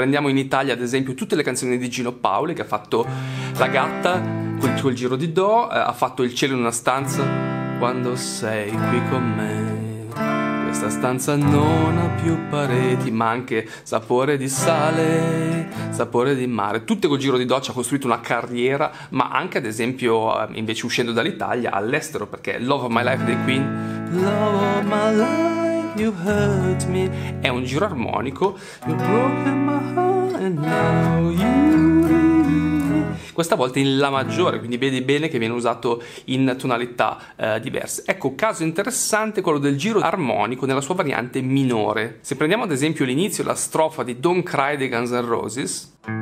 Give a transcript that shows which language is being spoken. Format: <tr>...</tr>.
<it>Prendiamo in Italia ad esempio tutte le canzoni di Gino Paoli, che ha fatto La gatta col giro di Do, ha fatto Il cielo in una stanza, quando sei qui con me questa stanza non ha più pareti, ma anche Sapore di sale, Sapore di mare. Tutte col giro di Do, ci ha costruito una carriera, ma anche ad esempio invece uscendo dall'Italia all'estero, perché</it> <en>Love of My Life dei Queen, Love of my life, you hurt me,</en> <it>è un giro armonico.</it> <en>You broke my heart and now you leave me.</en> <it>Questa volta in La maggiore, quindi vedi bene che viene usato in tonalità diverse. Ecco, caso interessante quello del giro armonico nella sua variante minore. Se prendiamo ad esempio l'inizio, la strofa di Don't Cry dei Guns N' Roses.</it>